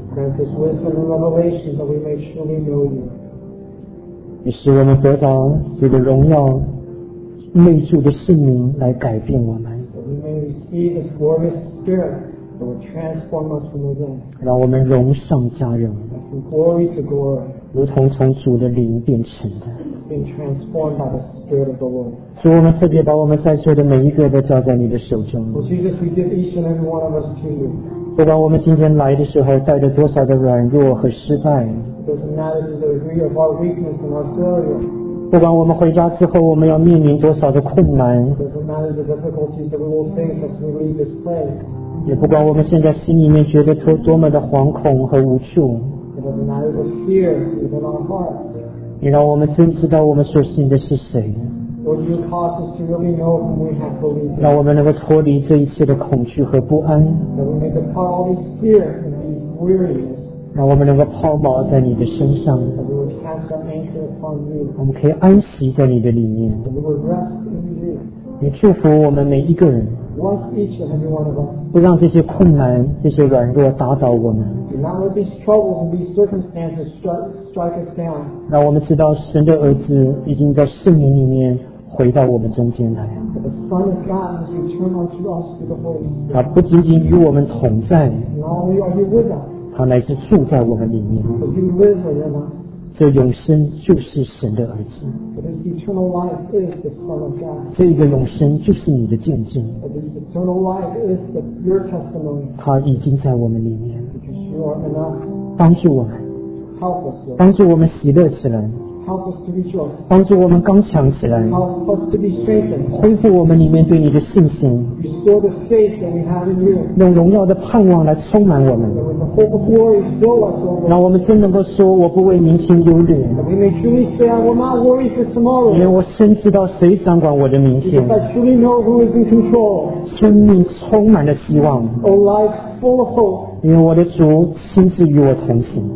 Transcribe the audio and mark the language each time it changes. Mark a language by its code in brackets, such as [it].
[en] Grant us wisdom and revelation that we may truly know you. [zh] 也使我们得到这个荣耀内住的圣灵来改变我们。 [en] That we may receive this glorious spirit that will transform us from within. [zh] 让我们荣上加荣。 [en] From glory to glory. [zh] 如同从主的灵变成的。 [en] Being transformed by the Spirit of the Lord. [zh] 主，我们特别把我们在座的每一个都交在你的手中。 [en] Lord Jesus, we give each and every one of us to you. [zh] 不管我们今天来的时候带着多少的软弱和失败。 [en] It doesn't matter the degree of our weakness and our failure. [zh] 不管我们回家之后我们要面临多少的困难。 [en] It doesn't matter the difficulties that we will face as we leave this place. [zh] 也不管我们现在心里面觉得多么的惶恐和无助。 [en] It doesn't matter the fear within our hearts. [zh] 你让我们真知道我们所信的是谁。 [en] Lord, you cause us to really know whom we have believed in. [zh] 让我们能够脱离这一切的恐惧和不安。 [en] That we may depart all these fears and these weariness. [zh] 让我们能够抛锚在你的身上。 [en] That we would cast our anchor upon you. [zh] 我们可以安息在你的里面。 [en] That we would rest in you. [zh] 你祝福我们每一个人。 [en] Bless each and every one of us. [zh] 不让这些困难、这些软弱打倒我们。 [en] Do not let these troubles and these circumstances strike us down. [zh] 让我们知道神的儿子已经在圣灵里面。回到我们中间来。 [en] The Son of God has returned unto us through the Holy Spirit. [zh] 他不仅仅与我们同在。 [en] Not only are you with us. [zh] 他乃是住在我们里面。 [en] But you live within us. [zh] 这永生就是神的儿子。 [en] But this eternal life is the Son of God. [zh] 这个永生就是你的见证。 [en] But this eternal life is your testimony. [zh] 他已经在我们里面。 [en] Because you are in us. [zh] 帮助我们。 [en] Help us, Lord. [zh] 帮助我们喜乐起来。 [en] Help us to be strong. [zh] 帮助我们刚强起来。 [en] Help us to be strengthened. [zh] 恢复我们里面对你的信心。 [en] Restore the faith that we have in you. [zh] 用荣耀的盼望来充满我们。 [en] And with the hope of glory fill us over. [zh] 让我们真能够说我不为明天忧虑。 [en] And we may truly say I will not worry for tomorrow. [zh] 因为我深知道谁掌管我的明天。 [en] Because I truly know who is in control. [zh] 生命充满了希望。 [en] A life full of hope. [zh] 因为我的主亲自与我同行。